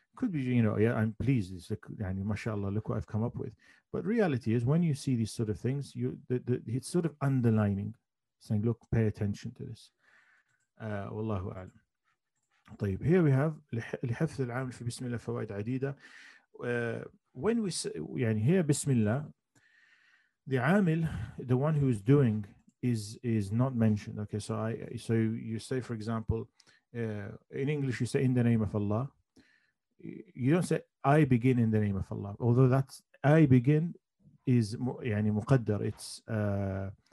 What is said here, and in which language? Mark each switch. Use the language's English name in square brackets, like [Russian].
[English] Could be, you know, yeah, I'm pleased. It's like, yani, mashallah, look what I've come up with. But reality is, when you see these sort of things, it's sort of underlining, saying, look, pay attention to this. Wallahu a'lam. [Arabic] طيب, [English] here we have [Arabic] لحفظ العام في بسم الله فوائد عديدة. [English] When we say, يعني, here Bismillah, the عامل, the one who is doing, is not mentioned. Okay, so you say, for example, in English you say in the name of Allah. You don't say I begin in the name of Allah, although that's I begin is [Arabic] يعني مقدر.